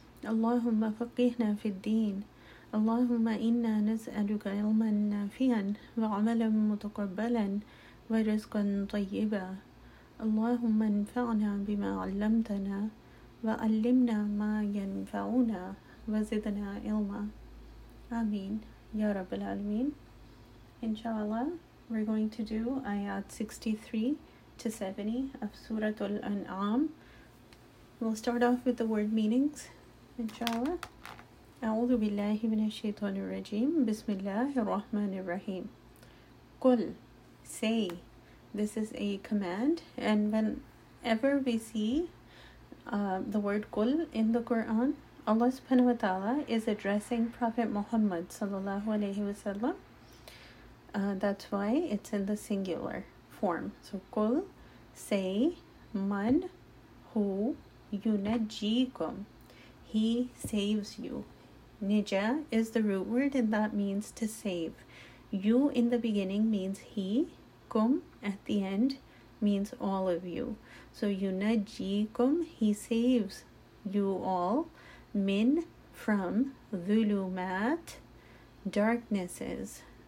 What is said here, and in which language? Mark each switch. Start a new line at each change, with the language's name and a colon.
Arabic: اللهم فقهنا في الدين، اللهم إنا نسألك علما نافعا وعملا متقبلا ورزقا طيبا. اللهم انفعنا بما علمتنا وعلمنا ما ينفعنا وزدنا علما. آمين يا رب العالمين. إن شاء الله
English: we're going to do آيات 63 to 70 of سورة الأنعام. We'll start off with the word meanings.
Arabic: إن شاء الله. أعوذ بالله من الشيطان الرجيم. بسم الله الرحمن الرحيم. قل,
English: say. This is a command. And whenever we see the word قل in the Quran, Allah subhanahu wa ta'ala is addressing Prophet Muhammad sallallahu alayhi wa sallam. That's why it's in the singular form. So
Arabic: قل,
English: say,
Arabic: من, هو, ينجيكم.
English: He saves you. Nija is the root word, and that means to save. You in the beginning means he. Kum at the end means all of you. So yunajikum, he saves you all. Min, from. Dhulumat, darknesses.